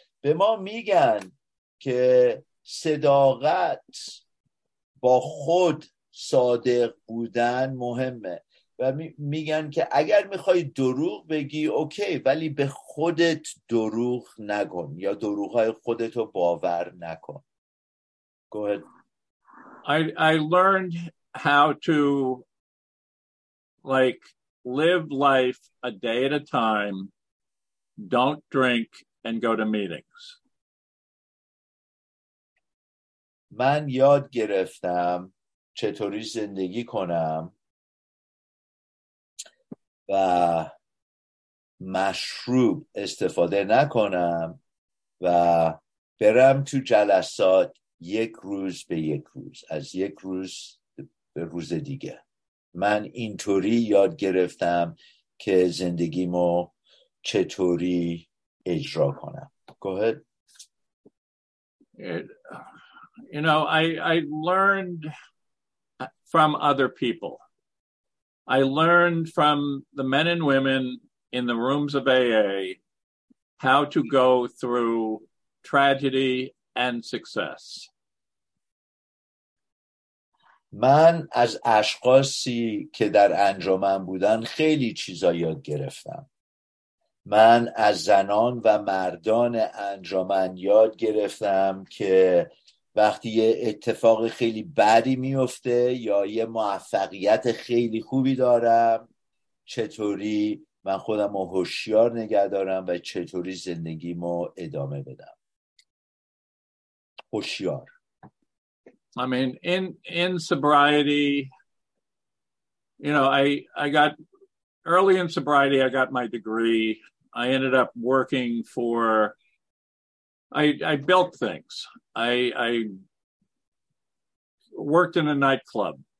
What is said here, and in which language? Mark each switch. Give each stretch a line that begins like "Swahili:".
Persian: به ما میگن که صداقت با خود صادق بودن مهمه و میگن که اگر میخوای دروغ بگی اوکی، ولی به خودت دروغ نگن یا دروغهای خودتو باور نکن.
English: Go ahead. I learned how to like live life a day at a time, don't drink and go to meetings.
Persian: من یاد گرفتم چطوری زندگی کنم و مشروب استفاده نکنم و برم تو جلسات یک روز به یک روز، از یک روز به روز دیگه. من اینطوری یاد گرفتم که زندگیمو چطوری اجرا کنم.
English: Go ahead. You know, I learned from other people. I learned from the men and women in the rooms of AA how to go through tragedy and success.
Persian: من از اشخاصی که در انجمن بودن خیلی چیزا یاد گرفتم. من از زنان و مردان انجمن یاد گرفتم که وقتی یه اتفاق خیلی بدی میفته یا یه موفقیت خیلی خوبی دارم، چطوری من خودم رو هوشیار نگه دارم و چطوری زندگیمو ادامه بدم. هوشیار.
English: I mean in sobriety, you know, I got early in sobriety, I got my degree. I ended up working for I built things. I worked in a nightclub.